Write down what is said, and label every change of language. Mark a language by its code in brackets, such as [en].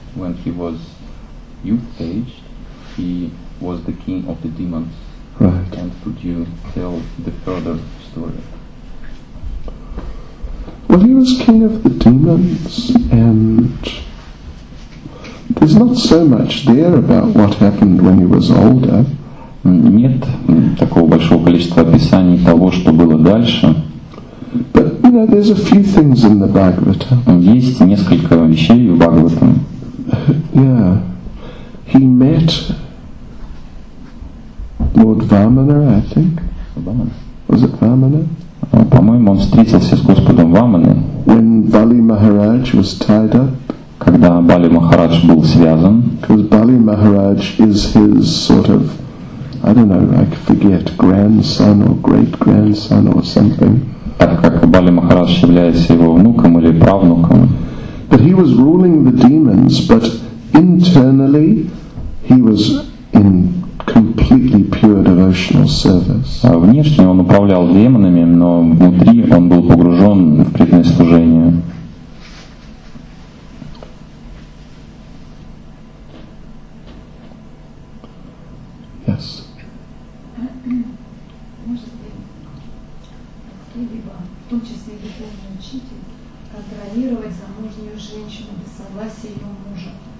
[en] When he was youth aged, he was the king of the demons. Right. And could you tell the further story? Well, he was king of the demons, and there's not so much there about what happened when he was older. [ru] Нет такого большого количества описаний того, что было дальше. [en] But you know, there's a few things in the Bhagavatam. [ru] Есть несколько вещей в Бхагаватам. [en] Yeah, he met Lord Vamana, I think. Vamana. Was it Vamana? [ru] По-моему, он встретился с господом Ваманой. [en] When Bali Maharaj was tied up. [ru] Когда Бали Махарадж был связан. [en] Because Bali Maharaj is his sort of, I don't know, I forget, grandson or great grandson or something. [ru] Так как Бали Махарадж является его внуком или правнуком. [en] But he was ruling the demons, but internally he was in completely pure devotional service. [ru] А внешне он управлял демонами, но внутри он был погружен в преданное служение. [en] Yes. [ru] В том числе и духовный учитель, контролировать замужнюю женщину без согласия ее мужа.